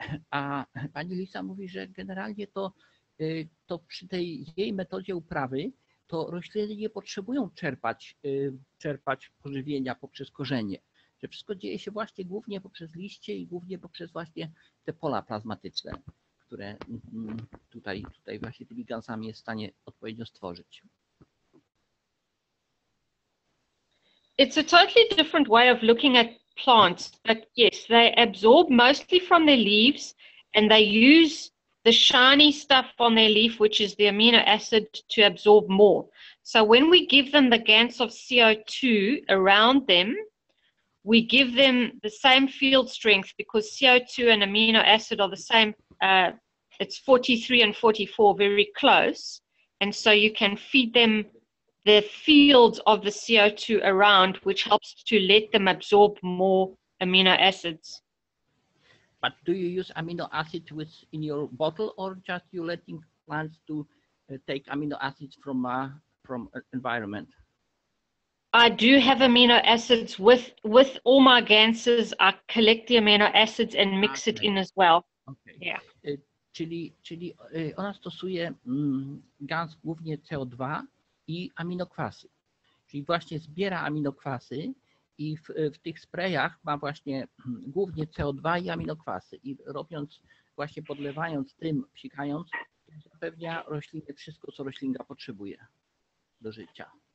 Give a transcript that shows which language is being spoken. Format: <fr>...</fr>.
<pl>A pani Lisa mówi, że generalnie to przy tej jej metodzie uprawy to rośliny nie potrzebują czerpać pożywienia poprzez korzenie. Że wszystko dzieje się właśnie głównie poprzez liście i głównie poprzez właśnie te pola plazmatyczne, które tutaj właśnie tymi gąsami jest w stanie odpowiednio stworzyć.</pl> <en>It's a totally different way of looking at plants, but yes, they absorb mostly from their leaves and they use the shiny stuff on their leaf, which is the amino acid, to absorb more. So when we give them the gans of CO2 around them, we give them the same field strength because CO2 and amino acid are the same. It's 43 and 44, very close. And so you can feed them the fields of the CO2 around, which helps to let them absorb more amino acids. But do you use amino acids in your bottle, or just you letting plants to take amino acids from environment? I do have amino acids with all my ganses. I collect the amino acids and mix it in as well. Okay. Yeah.</en> <pl>Czyli ona stosuje gans głównie CO2 i aminokwasy. Czyli właśnie zbiera aminokwasy i w tych sprayach ma właśnie głównie CO2 i aminokwasy. I robiąc, właśnie podlewając tym, psikając, zapewnia roślinie wszystko, co roślinka potrzebuje do życia.</pl>